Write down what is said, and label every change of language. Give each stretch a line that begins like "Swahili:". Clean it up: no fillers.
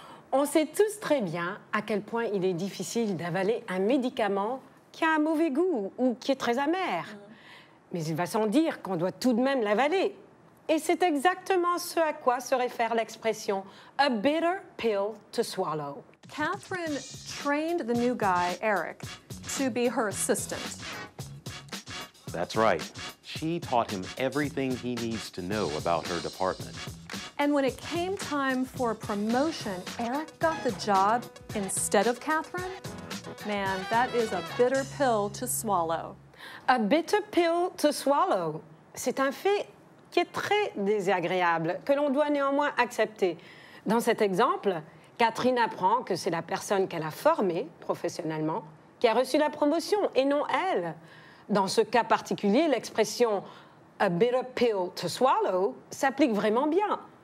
French: On sait tous très bien à quel point il est difficile d'avaler un médicament qui a un mauvais goût ou qui est très amer. Mais il va sans dire qu'on doit tout de même l'avaler. Et c'est exactement ce à quoi se réfère l'expression «
English: a bitter pill to swallow ». Catherine trained the new guy, Eric, to be her assistant. That's right. She taught him everything he needs to know about her department. And when it came time for a promotion, Eric got the job instead of Catherine? Man, that is a bitter pill to swallow. A bitter pill to swallow.
French: C'est un fait qui est très désagréable, que l'on doit néanmoins accepter. Dans cet exemple, Catherine apprend que c'est la personne qu'elle a formée professionnellement qui a reçu la promotion et non elle. Dans ce cas particulier, l'expression «
English: a bitter pill to swallow
French: » s'applique vraiment bien.